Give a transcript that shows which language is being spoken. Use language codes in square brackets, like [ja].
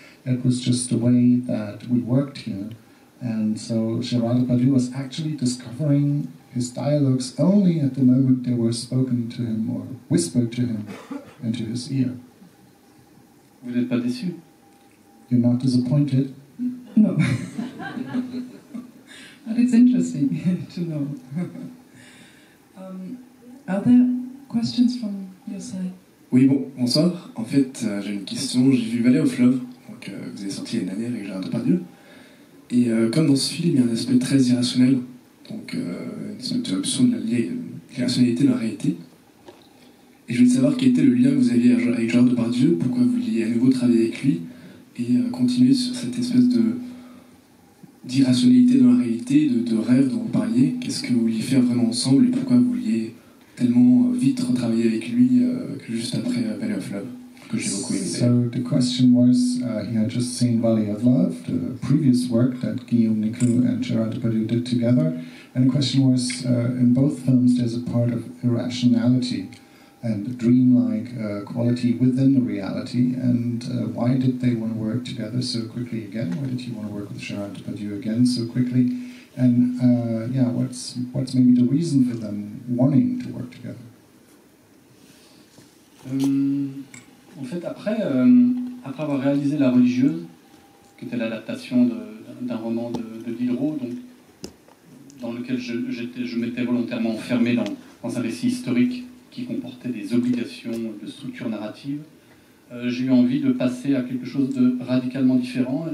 [en] It was just the way that we worked here. And so Gérard Depardieu was actually discovering his dialogues only at the moment they were spoken to him or whispered to him into his ear. [fr] Vous n'êtes pas déçu? [en] You're not disappointed? No. But it's interesting to know. Are there questions from your side? [fr] Oui, bonsoir. En fait, j'ai une question. J'ai vu Vallée au fleuve, donc vous avez sorti l'année dernière avec Gérard Depardieu. Et comme dans ce film, il y a un aspect très irrationnel, donc une sorte d'option de l'irrationalité de la réalité. Et je voulais savoir quel était le lien que vous aviez avec Gérard Depardieu, pourquoi vous vouliez à nouveau travailler avec lui et continuer sur cette espèce d'irrationalité dans la réalité, de rêve dont vous parliez. Qu'est-ce que vous vouliez faire vraiment ensemble et pourquoi vous vouliez tellement vite retravailler avec lui que juste après Valley of Love? [en] So the question was, he had just seen Valley of Love, the previous work that Guillaume Nicou and Gérard Depardieu did together. And the question was, in both films there's a part of irrationality and dreamlike quality within the reality. And why did they want to work together so quickly again? Why did he want to work with Gérard Depardieu again so quickly? And what's maybe the reason for them wanting to work together? [fr] En fait, après avoir réalisé La Religieuse, qui était l'adaptation d'un roman de Diderot, donc, dans lequel je m'étais volontairement enfermé dans un récit historique qui comportait des obligations de structure narrative, j'ai eu envie de passer à quelque chose de radicalement différent.